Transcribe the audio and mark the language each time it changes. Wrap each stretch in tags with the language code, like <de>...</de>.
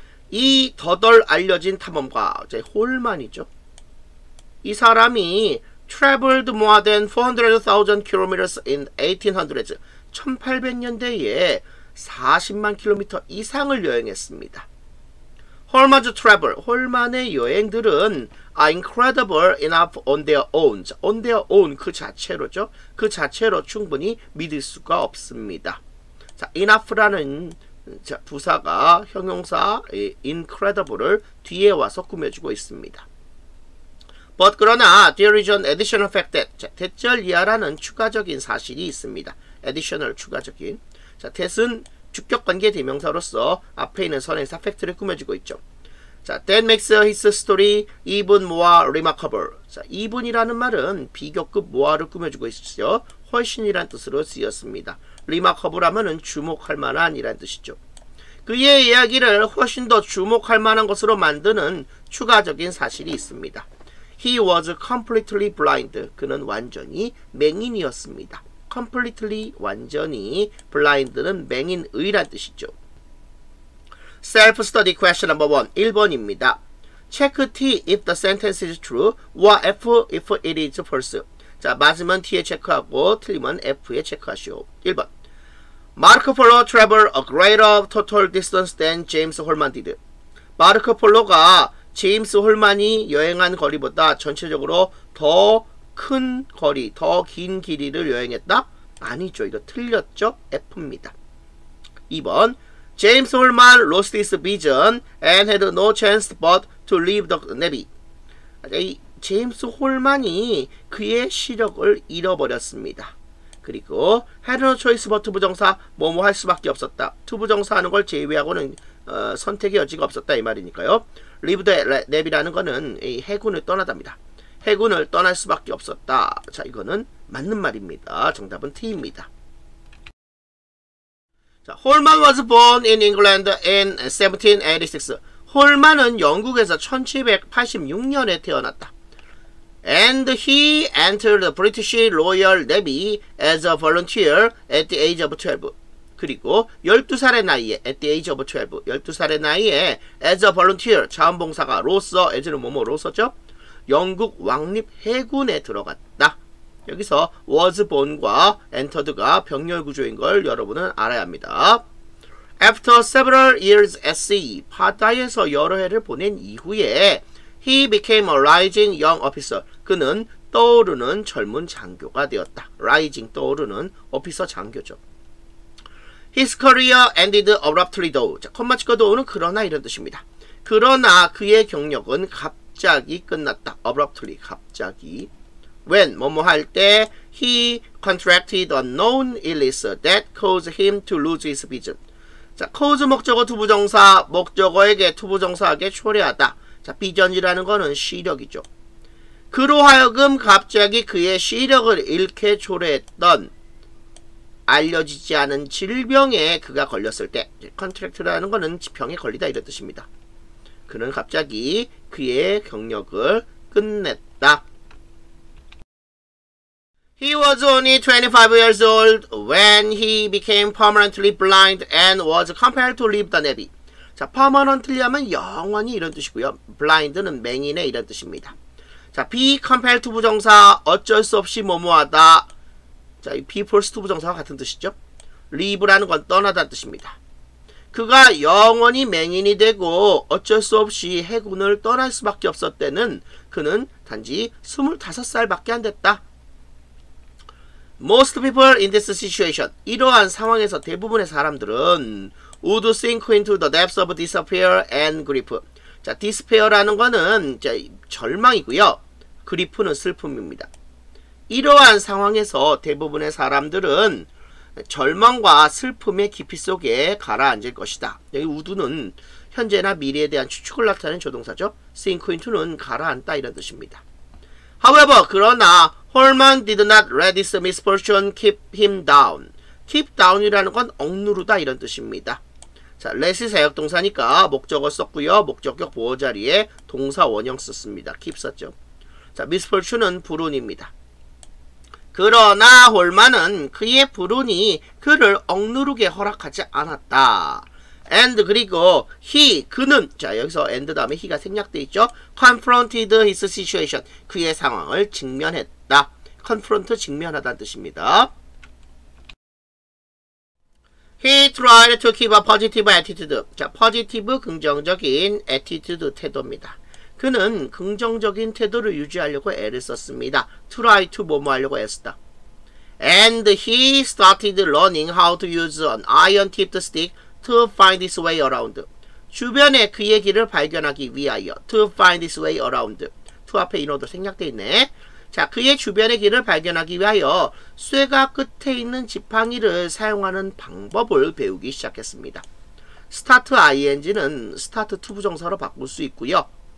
<ko>이 더덜 알려진 탐험가, 이제 홀만이죠. 이 사람이</ko> <en>traveled more than 400,000 kilometers in 1800s.</en> <ko>1800년대에 40만 킬로미터 이상을 여행했습니다.</ko> <en>Holman's travel.</en> <ko>홀만의 여행들은</ko> <en>are incredible enough on their own. on their own.</en> <ko>그 자체로죠. 그 자체로 충분히 믿을 수가 없습니다. 자, enough라는 부사가 형용사 incredible을 뒤에 와서 꾸며주고 있습니다.</ko> <en>But</en> <ko>그러나</ko> <en>there is an additional fact that.</en> <ko>자, that절 이하라는 추가적인 사실이 있습니다. additional 추가적인. 자, that은 주격관계 대명사로서 앞에 있는 선행사 팩트를 꾸며주고 있죠.</ko> <en>자, that makes his story even more remarkable.</en> <ko>자, even이라는 말은 비교급 more를 꾸며주고 있죠. 훨씬이란 뜻으로 쓰였습니다. remarkable 하면은 주목할 만한 이란 뜻이죠. 그의 이야기를 훨씬 더 주목할 만한 것으로 만드는 추가적인 사실이 있습니다.</ko> <en>He was completely blind.</en> <ko>그는 완전히 맹인이었습니다. Completely, 완전히. Blind는 맹인의란 뜻이죠.</ko> <en>Self-study question number 1.</en> <ko>1번입니다.</ko> <en>Check T if the sentence is true or F if it is false.</en> <ko>자, 맞으면 T에 체크하고 틀리면 F에 체크하시오.</ko> <en>1번. Marco Polo traveled a greater total distance than James Holman did.</en> <ko>마르코 폴로가 제임스 홀만이 여행한 거리보다 전체적으로 더 큰 거리, 더 긴 길이를 여행했다? 아니죠. 이거 틀렸죠? F입니다. 2번.</ko> <en>James Holman lost his vision and had no chance but to leave the Navy.</en> <ko>제임스 홀만이 그의 시력을 잃어버렸습니다. 그리고</ko> <en>had no choice but</en> <ko>부정사, 뭐뭐 할 수밖에 없었다. 부정사 하는 걸 제외하고는 선택의 여지가 없었다 이 말이니까요.</ko> <en>Leave the Navy</en> <ko>라는 거는 해군을 떠나답니다. 해군을 떠날 수밖에 없었다. 자, 이거는 맞는 말입니다. 정답은 T입니다.</ko> <en>자, Holman was born in England in 1786.</en> <ko>홀만은 영국에서 1786년에 태어났다.</ko> <en>And he entered the British Royal Navy as a volunteer at the age of 12.</en> <ko>그리고 12살의 나이에,</ko> <en>at the age of 12,</en> <ko>12살의 나이에</ko> <en>as a volunteer,</en> <ko>자원봉사가로서, as는 뭐뭐로서죠? 영국 왕립 해군에 들어갔다. 여기서 was born과 entered가 병렬 구조인 걸 여러분은 알아야 합니다.</ko> <en>After several years at sea,</en> <ko>바다에서 여러 해를 보낸 이후에</ko> <en>he became a rising young officer.</en> <ko>그는 떠오르는 젊은 장교가 되었다.</ko> <en>Rising, 떠오르는 officer 장교죠. His career ended abruptly though.</en> <ko>자, 콤마 찍고 though는 그러나 이런 뜻입니다. 그러나 그의 경력은 갑자기 끝났다. Abruptly, 갑자기.</ko> <en>When,</en> <ko>뭐뭐 할 때,</ko> <en>he contracted a known illness that caused him to lose his vision.</en> <ko>자, cause 목적어 to 부정사, 목적어에게 to 부정사하게 초래하다. 자, vision이라는 거는 시력이죠. 그로 하여금 갑자기 그의 시력을 잃게 초래했던 알려지지 않은 질병에 그가 걸렸을 때, 컨트랙트라는 거는 병에 걸리다 이런 뜻입니다. 그는 갑자기 그의 경력을 끝냈다.</ko> <en>He was only 25 years old when he became permanently blind and was compelled to leave the Navy.</en> <ko>자, permanently 하면 영원히 이런 뜻이고요. blind는 맹인의 이런 뜻입니다. 자,</ko> <en>be compelled to</en> <ko>부정사, 어쩔 수 없이 뭐뭐하다. 자, 이</ko> <en>be forced to</en> <ko>부정사와 같은 뜻이죠. leave라는 건 떠나다는 뜻입니다. 그가 영원히 맹인이 되고 어쩔 수 없이 해군을 떠날 수밖에 없었대는 그는 단지 25살밖에 안 됐다.</ko> <en>Most people in this situation,</en> <ko>이러한 상황에서 대부분의 사람들은</ko> <en>would sink into the depths of despair and grief.</en> <ko>자, despair라는 거는 이제 절망이고요. grief는 슬픔입니다. 이러한 상황에서 대부분의 사람들은 절망과 슬픔의 깊이 속에 가라앉을 것이다. 여기 우두는 현재나 미래에 대한 추측을 나타내는 조동사죠. sink into는 가라앉다 이런 뜻입니다.</ko> <en>However,</en> <ko>그러나</ko> <en>Holman did not let this misfortune keep him down.</en> <ko>keep down이라는 건 억누르다 이런 뜻입니다. 자, let이 사역동사니까 목적어 썼고요. 목적격 보호자리에 동사 원형 썼습니다. keep 썼죠. 자, misfortune은 불운입니다. 그러나 홀만은 그의 불운이 그를 억누르게 허락하지 않았다. And 그리고 he, 그는, 자, 여기서 and 다음에 he가 생략되어 있죠.</ko> <en>confronted his situation,</en> <ko>그의 상황을 직면했다. confront, 직면하다는 뜻입니다.</ko> <en>He tried to keep a positive attitude. 자, positive, 긍정적인 attitude, 태도입니다.</en> <ko>그는 긍정적인 태도를 유지하려고 애를 썼습니다. Try to 뭐뭐 하려고 애썼다.</ko> <en>And he started learning how to use an iron-tipped stick to find his way around.</en> <ko>주변에 그의 길을 발견하기 위하여</ko> <en>to find his way around.</en> <ko>To 앞에 인어도 생략되어 있네. 자, 그의 주변의 길을 발견하기 위하여 쇠가 끝에 있는 지팡이를 사용하는 방법을 배우기 시작했습니다. Start ing는 start to 부정사로 바꿀 수 있고요.</ko>